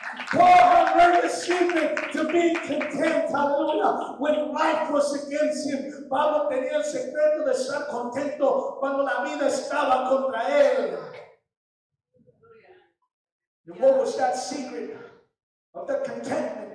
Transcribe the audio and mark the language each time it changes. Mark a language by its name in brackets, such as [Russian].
[English] Paul had learned the secret to be content, hallelujah, when life was against him. [Spanish] Pablo tenía el secreto de estar contento cuando la vida estaba contra él. [English] And what was that secret of the contentment?